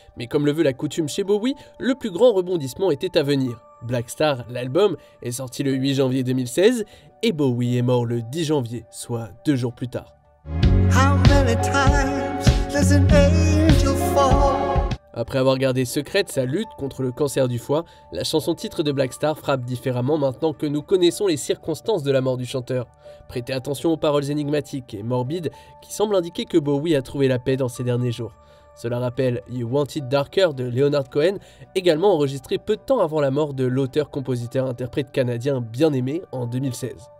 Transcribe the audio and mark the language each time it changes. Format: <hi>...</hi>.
<fr>Mais comme le veut la coutume chez Bowie, le plus grand rebondissement était à venir. Black Star, l'album, est sorti le 8 janvier 2016 et Bowie est mort le 10 janvier, soit deux jours plus tard.</fr> <en>How many times does an angel fall?</en> <fr>Après avoir gardé secrète sa lutte contre le cancer du foie, la chanson-titre de Black Star frappe différemment maintenant que nous connaissons les circonstances de la mort du chanteur. Prêtez attention aux paroles énigmatiques et morbides qui semblent indiquer que Bowie a trouvé la paix dans ses derniers jours. Cela rappelle You Want It Darker de Leonard Cohen, également enregistré peu de temps avant la mort de l'auteur-compositeur-interprète canadien bien aimé en 2016.</fr>